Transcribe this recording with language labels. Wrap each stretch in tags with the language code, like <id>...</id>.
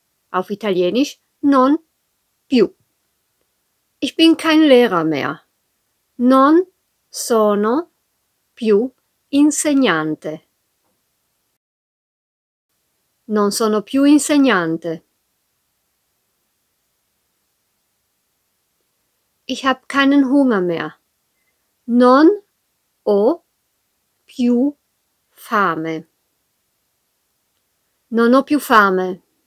<de>Auf Italienisch</de> <it>non più.</it> <de>Ich bin kein Lehrer mehr.</de> <it>Non sono più insegnante. Non sono più insegnante.</it> <de>Ich habe keinen Hunger mehr.</de> <it>Non ho più fame. Non ho più fame.</it>